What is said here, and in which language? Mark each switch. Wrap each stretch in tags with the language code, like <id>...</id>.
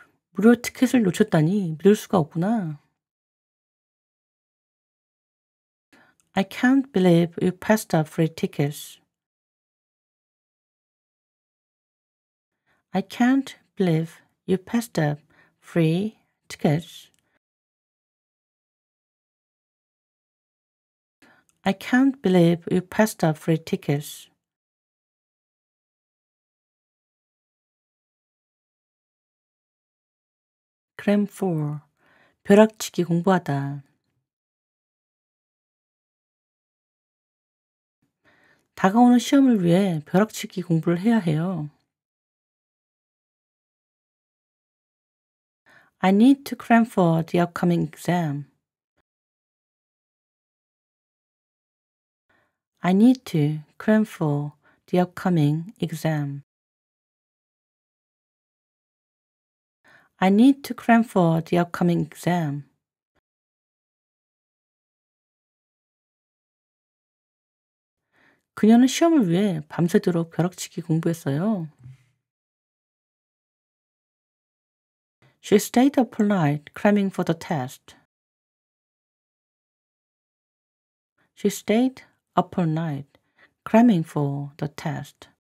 <ko>무료 티켓을 놓쳤다니 믿을 수가 없구나.</ko> <en>I can't believe you passed up free tickets. I can't believe you passed up free tickets. I can't believe you passed up free tickets.</en> <ko>그램 4. 벼락치기 공부하다. 다가오는 시험을 위해 벼락치기 공부를 해야 해요.</ko> <en>I need to cram for the upcoming exam. I need to cram for the upcoming exam. I need to cram for the upcoming exam.</en> <ko>그녀는 시험을 위해 밤새도록 벼락치기 공부했어요.</ko> <en>She stayed up all night cramming for the test. She stayed up all night cramming for the test.</en>